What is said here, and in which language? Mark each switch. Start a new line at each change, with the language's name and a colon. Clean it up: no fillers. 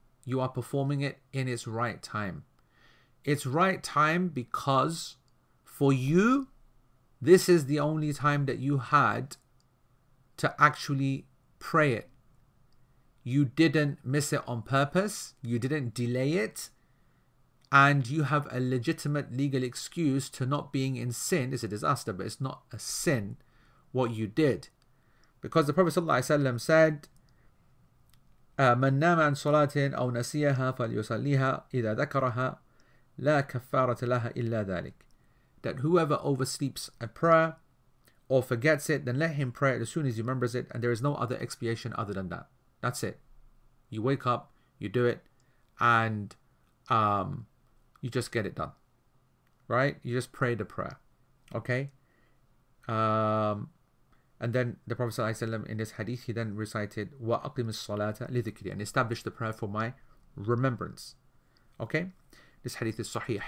English: You are performing it in its right time. It's right time because for you, this is the only time that you had to actually pray it. You didn't miss it on purpose. You didn't delay it. And you have a legitimate legal excuse to not being in sin. It's a disaster, but it's not a sin what you did. Because the Prophet Sallallahu Alaihi Wasallam said,
Arabic: من نام عن صلاة أو نسيها فليصليها إذا ذكرها لا كفارة لها إلا ذلك.
English: That whoever oversleeps a prayer or forgets it, then let him pray it as soon as he remembers it, and there is no other expiation other than that. That's it. You wake up, you do it, and you just get it done. Right? You just pray the prayer. Okay? And then the Prophet ﷺ in this hadith, he then recited,
Arabic: Wa aqimis salata li dhikri,
English: and established the prayer for my remembrance. Okay? This hadith is sahih.